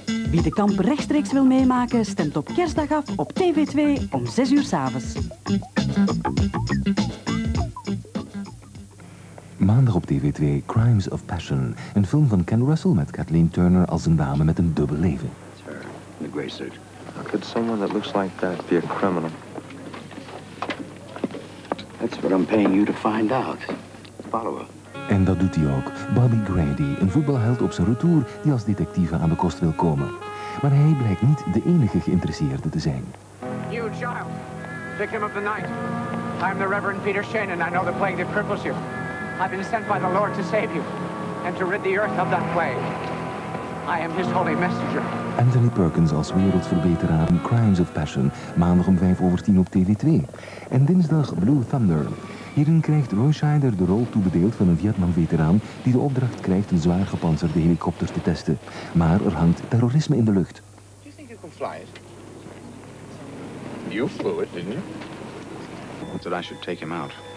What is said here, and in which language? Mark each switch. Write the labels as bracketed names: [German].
[Dutch] Wie de kamp rechtstreeks wil meemaken, stemt op kerstdag af op TV2 om 6 uur 's avonds. Maandag op TV2, Crimes of Passion. Een film van Ken Russell met Kathleen Turner als een dame met een dubbel leven. [English] In de grey suit. How could someone that looks like that be a criminal? That's what I'm paying you to find out. Follow her. [Dutch] En dat doet hij ook. Bobby Grady, een voetbalheld op zijn retour die als detective aan de kost wil komen. Maar hij blijkt niet de enige geïnteresseerde te zijn. [English] You, child. Victim of the night. I'm the Reverend Peter Shannon. I know the plague that cripples you. I've been sent by the Lord to save you and to rid the earth of that plague. I am his holy messenger. [Dutch] Anthony Perkins als wereldverbeteraar in Crimes of Passion, maandag om 9:55 op TV2. En dinsdag Blue Thunder. Hierin krijgt Roy Scheider de rol toebedeeld van een Vietnam-veteraan die de opdracht krijgt een zwaar gepantserde helikopter te testen. Maar er hangt terrorisme in de lucht. [English] Do you think you can fly it? You flew it, didn't you? I thought I should take him out.